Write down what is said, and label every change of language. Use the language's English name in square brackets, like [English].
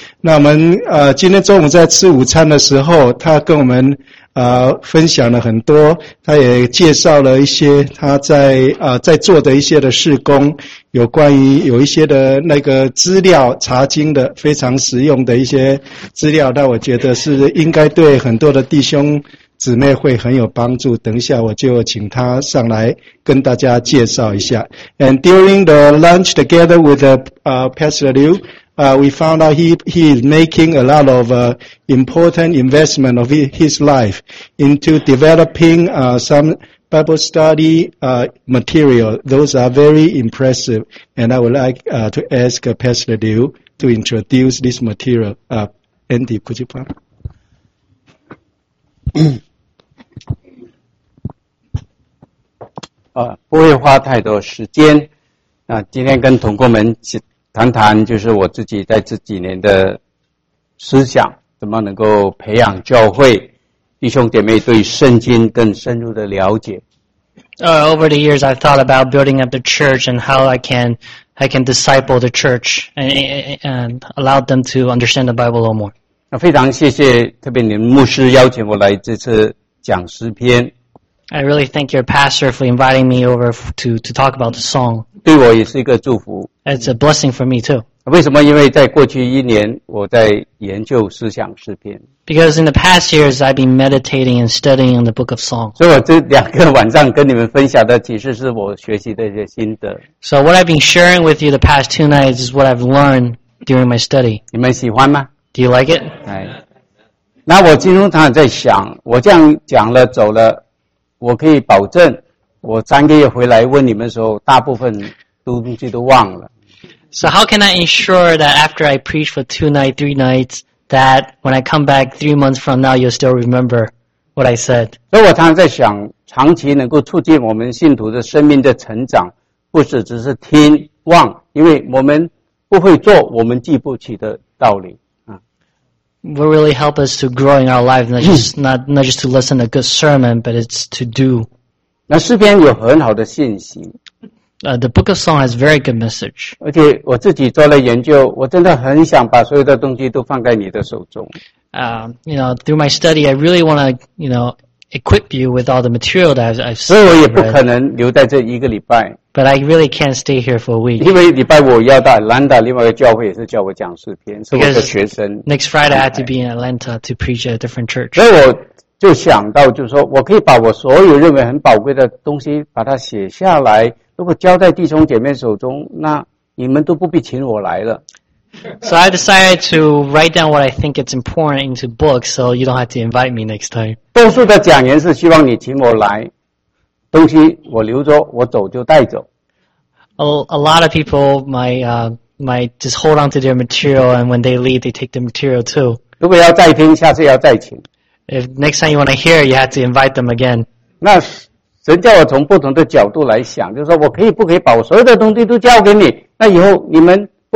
[Chinese] 那我们今天中午在吃午餐的时候，他跟我们分享了很多，他也介绍了一些他在做的一些的事工，有关于有一些的那个资料查经的非常实用的一些资料，那我觉得是应该对很多的弟兄姊妹会很有帮助，等一下我就请他上来跟大家介绍一下。 [English] And during the lunch together with Pastor Liu, we found out he is making a lot of important investment of his life into developing some Bible study material. Those are very impressive. And I would like to ask Pastor Liu to introduce this material. Andy, could you come? [Chinese] 不会花太多时间。那今天跟同工们谈谈，就是我自己在这几年的思想，怎么能够培养教会弟兄姐妹对圣经更深入的了解。 [English] Over the years, I thought about building up the church and how I can disciple the church and allow them to understand the Bible a little more. [Chinese] 那非常谢谢，特别你们牧师邀请我来这次讲诗篇。 [English] I really thank your pastor for inviting me over to talk about the song. [Chinese] 对我也是一个祝福。 [English] It's a blessing for me too. [Chinese] 为什么？因为在过去一年我在研究思想诗篇。 [English] Because in the past years I've been meditating and studying in the book of Psalms. [Chinese] 所以我这两个晚上跟你们分享的其实是我学习的一些心得。 [English] So what I've been sharing with you the past two nights is what I've learned during my study. [Chinese] 你们喜欢吗？ [English] Do you like it? [Chinese] 那我经常常在想，我这样讲了走了，我可以保证我3个月回来问你们的时候大部分东西都忘了。 [English] So how can I ensure that after I preach for 2 nights, 3 nights, that when I come back 3 months from now, you'll still remember what I said? [Chinese] 所以我常在想，长期能够促进我们信徒的生命的成长，不是只是听忘，因为我们不会做我们记不起的道理。 [English] Will really help us to grow in our lives, not just to listen to a good sermon, but it's to do. [Chinese] 那诗篇有很好的信息。 [English] The book of Song has very good message. [Chinese] 而且我自己做了研究，我真的很想把所有的东西都放在你的手中。 [English] You know, through my study, I really want to, you know, equip you with all the material that I've seen. [Chinese] 所以我也不可能留在这一个礼拜。 [English] But I really can't stay here for a week. [Chinese] 因为礼拜五要到 Atlanta， 另外一个教会也是叫我讲诗篇，是我的学生。 [English] Because next Friday I have to be in Atlanta to preach at a different church. [Chinese] 所以我就想到，就是说我可以把我所有认为很宝贵的东西把它写下来，如果交在弟兄姐妹手中，那你们都不必请我来了。 [English] So I decided to write down what I think it's important into books so you don't have to invite me next time. [Chinese] 多数的讲言是希望你请我来，东西我留着，我走就带走。 [English] A lot of people might just hold on to their material, and when they leave, they take the material too. [Chinese] 如果要再听，下次要再请。 [English] If next time you want to hear, you have to invite them again. [Chinese] 那神叫我从不同的角度来想，就是说我可以不可以把我所有的东西都交给你？那以后你们。